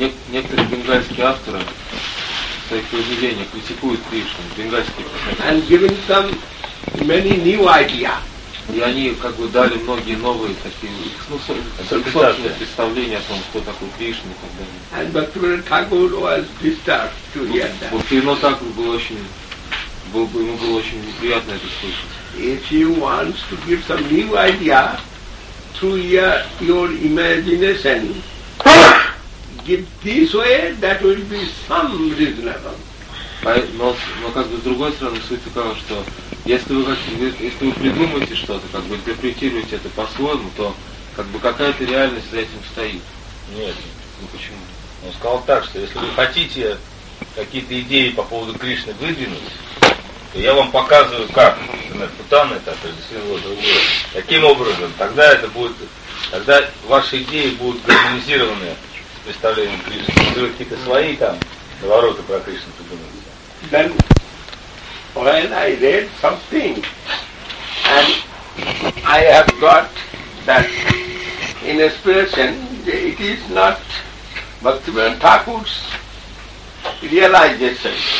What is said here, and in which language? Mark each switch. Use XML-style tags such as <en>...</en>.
<ru>Некоторые бенгальские авторы свои произведения критикуют Кришну, бенгальские писатели.</ru> <en>And giving them many new ideas.</en> <ru>И они как бы дали многие новые такие, ну, собственные представления о том, кто такой Кришна и так далее.</ru> <en>And Bhaktivinoda Thakur was disturbed to hear that.</en> <ru>Bhaktivinoda Thakur ему было очень неприятно это слышать.</ru> <en>If you want to give some new idea through your imagination, give this way, that will be some reasonable.</en> <ru>Но как бы с другой стороны, суть такова, что если вы придумаете что-то, как бы интерпретируете это по-своему, то как бы какая-то реальность за этим стоит. Нет. Ну почему? Он сказал так, что если вы хотите какие-то идеи по поводу Кришны выдвинуть, то я вам показываю, как, например, Путан это отрезвило, каким образом, тогда ваши идеи будут гармонизированы с представлением Кришны. Если вы какие-то свои там ворота про Кришну придумаете.</ru> <en>Then, when I read something, and I have got that inspiration, it is not Bhaktivinoda Thakur's realization.</en>